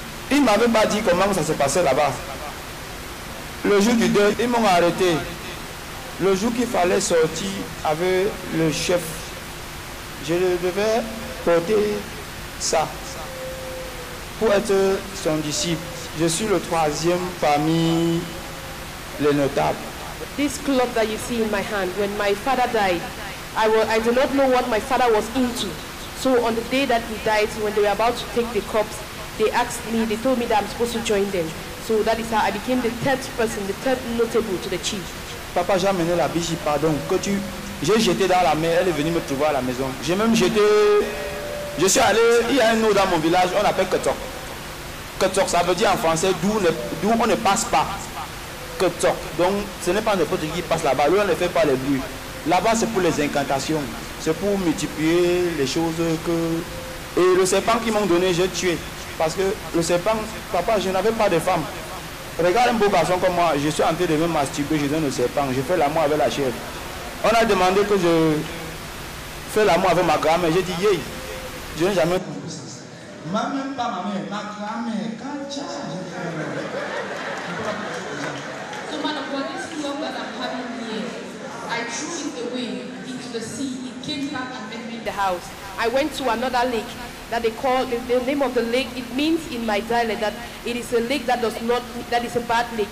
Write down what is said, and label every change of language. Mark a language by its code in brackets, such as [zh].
[fr] Ils ne m'avaient pas dit comment ça s'est passé là-bas. Le jour du deuil, ils m'ont arrêté. Le jour qu'il fallait sortir avec le chef, je devais porter ça pour être son disciple. Je suis le troisième parmi les notables. [en] This cloth that you see in my hand, when my father died, I do not know what my father was into. So on the day that he died, when they were about to take the corpse, they asked me, they told me that I'm supposed to join them. So that is how I became the third person, the third notable to the chief. [fr] Papa, j'ai amené la biche, pardon, que tu... J'ai jeté dans la mer, elle est venue me trouver à la maison. J'ai même jeté... Je suis allé, il y a un eau dans mon village, on appelle Ketok. Ketok, ça veut dire en français, d'où on ne passe pas. Ketok. Donc, ce n'est pas n'importe qui passe là-bas. Lui, on ne fait pas les bruits. Là-bas, c'est pour les incantations. C'est pour multiplier les choses que... Et le serpent qu'ils m'ont donné, j'ai tué. Parce que le serpent, papa, je n'avais pas de femme. Regarde un beau garçon comme moi, je suis en train de me masturber, je donne le serpent, je fais l'amour avec la chair. On a demandé que je fasse l'amour avec ma grand-mère. J'ai dit, yeah, je n'ai jamais compris ça. Ma même pas ma mère, ma grand-mère, quand tu as ça, [en] so, madame, for this love that I'm having here, I threw it away into the sea. It came back and met me in the house. I went to another lake that they call the name of the lake. It means in my dialect that it is a lake that does not, that is a bad lake.